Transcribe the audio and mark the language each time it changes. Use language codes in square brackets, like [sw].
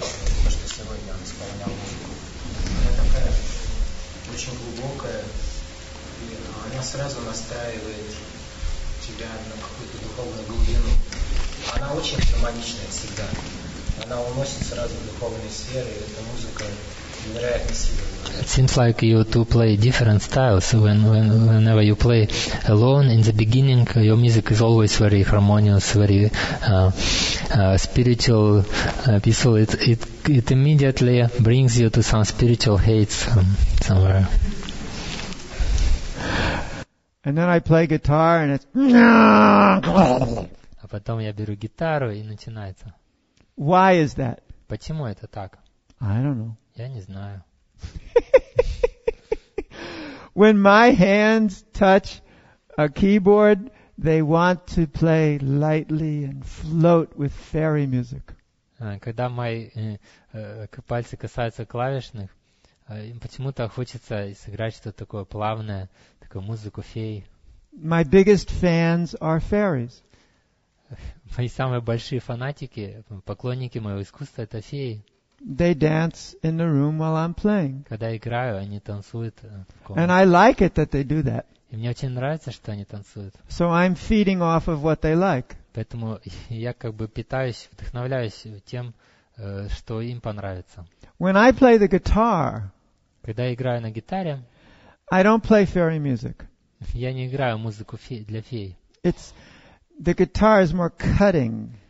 [ru] То, что сегодня он исполнял музыку. Она такая очень глубокая. И она сразу настраивает тебя на какую-то духовную глубину. Она очень гармоничная всегда. Она уносит сразу в духовные сферы, и эта музыка. [en] It seems like you two play different styles. Whenever you play alone in the beginning, your music is always very harmonious, very spiritual, peaceful. It immediately brings you to some spiritual heights somewhere. And then I play guitar and it's... [ru] А потом я беру гитару и начинается. [en] Why is that? [ru] Почему это так? [en] I don't know. [ru] Я не знаю. [en] When my hands touch a keyboard, they want to play lightly and float with fairy music. [ru] Когда мои пальцы касаются клавишных, им почему-то хочется сыграть что-то такое плавное, такую музыку фей. [en] My biggest fans are fairies. [ru] Мои самые большие фанатики, поклонники моего искусства — это феи. [en] They dance in the room while I'm playing. [ru] Когда играю, они танцуют. [en] And I like it that they do that. [ru] И мне очень нравится, что они танцуют. [en] So I'm feeding off of what they like. [ru] Поэтому я как бы питаюсь, вдохновляюсь тем, что им понравится. [en] When I play the guitar, [ru] когда я играю на гитаре, [en] I don't play fairy music. [ru] Я не играю музыку для фей. [en] It's the guitar is more cutting.